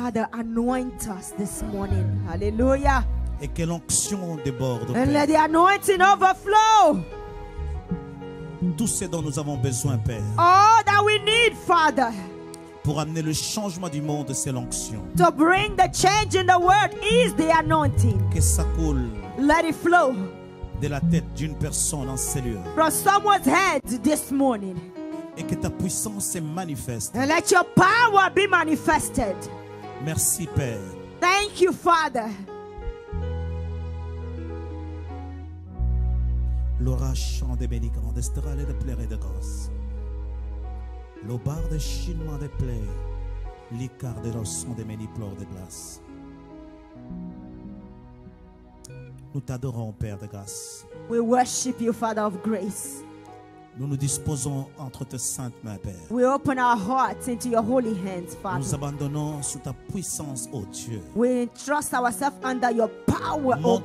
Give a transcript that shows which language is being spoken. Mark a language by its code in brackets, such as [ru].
[en] Father, anoint us this morning. Hallelujah. [fr] Et que l'onction déborde. [en] And Père. Let the anointing overflow. [fr] Tout ce dont nous avons besoin, Père. [en] All that we need, Father. [fr] Pour amener le changement du monde, c'est l'onction. [en] To bring the change in the world is the anointing. [fr] Que ça coule. [en] Let it flow. [fr] De la tête d'une personne en cellule. [en] From someone's head this morning. [fr] Et que ta puissance se manifeste. [en] And let your power be manifested. [fr] Merci, Père. [en] Thank you, Father. L'orage chant des bénigrants, des strales et des plaires et des grosses. L'obar de chinement des plaies, l'icard de l'osson des méniplores de glace. [fr] Nous t'adorons, Père de grâce. [en] We worship you, Father of grace. [fr] Nous nous disposons entre tes saintes mains, Père. [en] We open our hearts into your holy hands, Father. [fr] Nous abandonnons sous ta puissance, ô Dieu. [en] We entrust ourselves under your power, ô God.